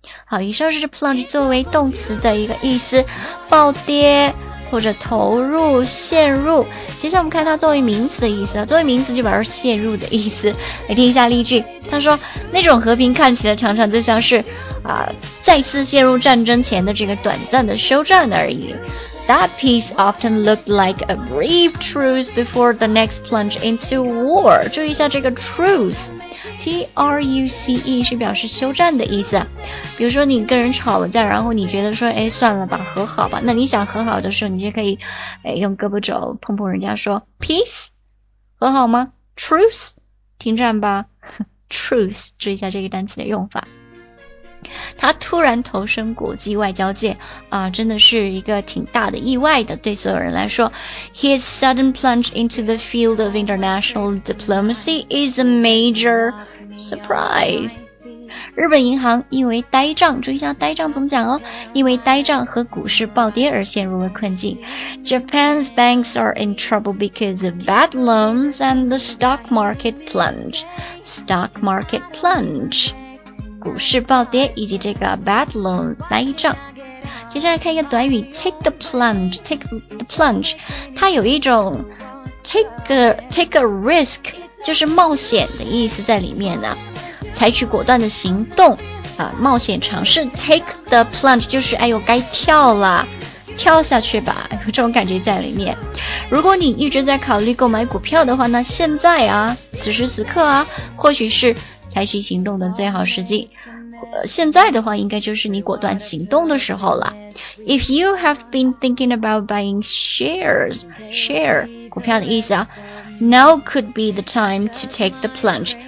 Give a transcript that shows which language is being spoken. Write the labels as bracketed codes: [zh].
[zh] 好，以上是 plunge 作为动词的一个意思，暴跌或者投入、陷入。接下来我们看它作为名词的意思，作为名词就表示陷入的意思。来听一下例句。他说那种和平看起来常常就像是再次陷入战争前的这个短暂的休战而已。 [en] That peace often looked like a brief truce before the next plunge into war. [zh] 注意一下这个 truce, T-R-U-C-E 是表示休战的意思。比如说你跟人吵了架，然后你觉得说哎，算了吧，和好吧。那你想和好的时候，你就可以用胳膊肘碰碰人家说 peace, 和好吗？ truce, 停战吧。Truth, 注意一下这个单词的用法。他突然投身国际外交界真的是一个挺大的意外的，对所有人来说。 [en] His sudden plunge into the field of international diplomacy is a major surprise. [zh] 日本银行因为呆账，注意一下呆账怎么讲哦，因为呆账和股市暴跌而陷入了困境。 [en] Japan's banks are in trouble because of bad loans and the stock market plunge. [zh] Stock market plunge, 股市暴跌以及这个 bad loan, 呆账。接下来看一个短语 take the plunge, take the plunge, 它有一种 take a risk, 就是冒险的意思在里面呢，采取果断的行动冒险尝试。 take the plunge, 就是哎呦该跳了，跳下去吧，有这种感觉在里面。如果你一直在考虑购买股票的话，那现在啊，此时此刻啊，或许是采取行动的最好时机。现在的话，应该就是你果断行动的时候了。 [en] If you have been thinking about buying shares, share, [zh] 股票的意思啊， [en] now could be the time to take the plunge.